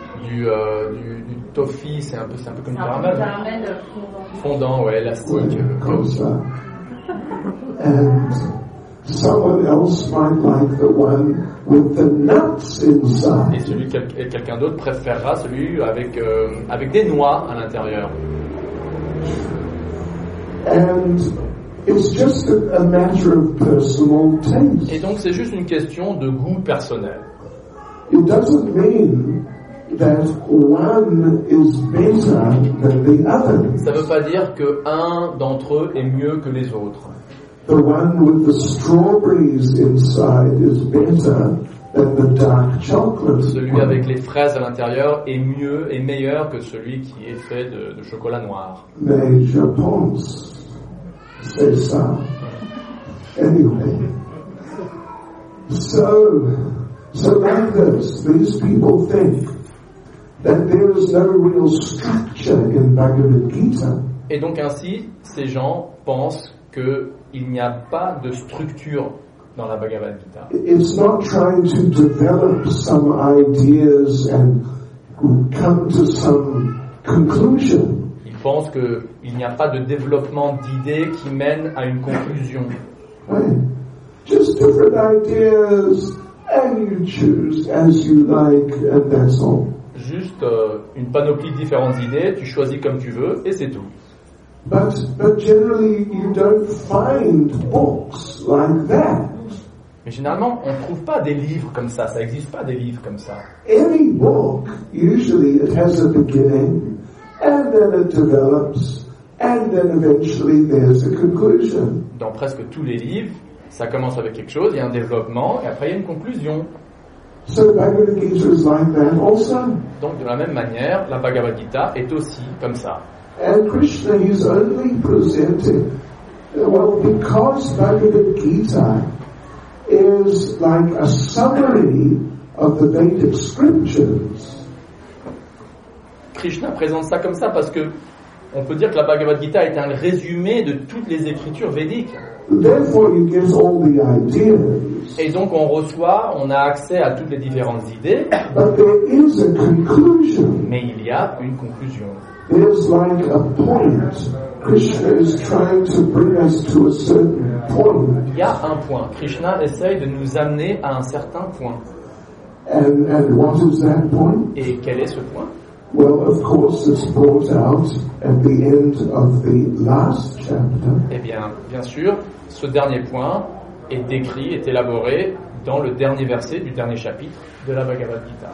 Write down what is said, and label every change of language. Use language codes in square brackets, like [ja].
[fr] Du toffee, c'est un peu comme du caramel. Caramel fondant, ouais, élastique. Comme ça. [en] And someone else might like the one with the nuts inside. [fr] Et quelqu'un d'autre préférera celui avec des noix à l'intérieur. [en] And it's just a matter of personal taste. [fr] Et donc c'est juste une question de goût personnel. [en] It doesn't mean that one is better than the other. [fr] Ça ne veut pas dire que un d'entre eux est mieux que les autres. [en] The one with the strawberries inside is better than the dark chocolate. [fr] Celui avec les fraises à l'intérieur est mieux et meilleur que celui qui est fait de chocolat noir. Mais je pense, c'est ça. [en] Anyway, so like this, these people think that there is no real structure in Bhagavad Gita. [fr] Et donc ainsi, ces gens pensent que il n'y a pas de structure dans la Bhagavad Gita. [en] It's not trying to develop some ideas and come to some conclusion. [fr] Ils pensent que il n'y a pas de développement d'idées qui mène à une conclusion. [en] Right. Just different ideas and you choose as you like and that's all. [fr] Juste une panoplie de différentes idées, tu choisis comme tu veux et c'est tout. [en] But generally you don't find books like that. [fr] Mais généralement, on ne trouve pas des livres comme ça. Ça n'existe pas des livres comme ça. [en] Any book, usually it has a beginning, and then it develops, and then eventually there's a conclusion. [fr] Dans presque tous les livres, ça commence avec quelque chose, il y a un développement, et après il y a une conclusion. [en] So Bhagavad Gita is like that also. [fr] Donc de la même manière, la Bhagavad Gita est aussi comme ça. [en] And Krishna is only presented, well, because Bhagavad Gita is like a summary of the Vedic scriptures. [fr] Krishna présente ça comme ça parce que on peut dire que la Bhagavad Gita est un résumé de toutes les écritures védiques. [en] Therefore, you get all the ideas. [fr] Et donc on reçoit, on a accès à toutes les différentes idées. [en] But there is a conclusion. [fr] Mais il y a une conclusion. [en] There's like a point. Krishna is trying to bring us to a certain point. [fr] Il y a un point. Krishna essaye de nous amener à un certain point. [en] And what is that point? [fr] Et quel est ce point? [en] Well, of course, it's brought out at the end of the last chapter. [fr] Eh bien, bien sûr, ce dernier point est décrit, est élaboré dans le dernier verset du dernier chapitre de la Bhagavad Gita.